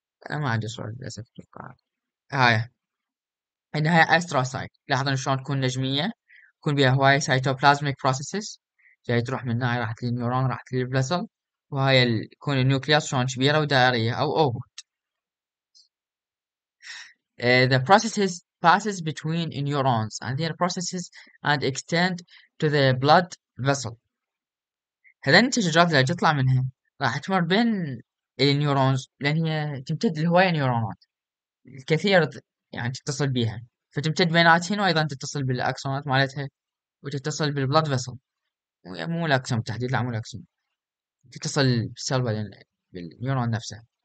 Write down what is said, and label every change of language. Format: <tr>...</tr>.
<ar>أنا ما عندي صورة للأسف أتوقع. هاي إن هاي أستروسايت، لاحظوا شلون تكون نجمية، تكون بها هواية سيتوبلازميك بروسيسز، جاي تروح من هاي راحت للنيورون راحت للبلازل، وهاي تكون النيوكلياس شلون كبيرة ودائرية أو أوبوت.</ar> <en>The processes passes between neurons and their processes and extend to the blood vessel.</en> <ar>هذين الشجرات اللي تطلع منها راح تمر بين النيورونز، لان هي تمتد لهواية نيورونات الكثير يعني تتصل بيها، فتمتد بيناتهن، وايضا تتصل بالاكسونات مالتها وتتصل بالبلاد فيسل، مو الاكسون بالتحديد، لا مو الاكسون، تتصل بالسيل بعدين بالنيورون نفسها.</ar>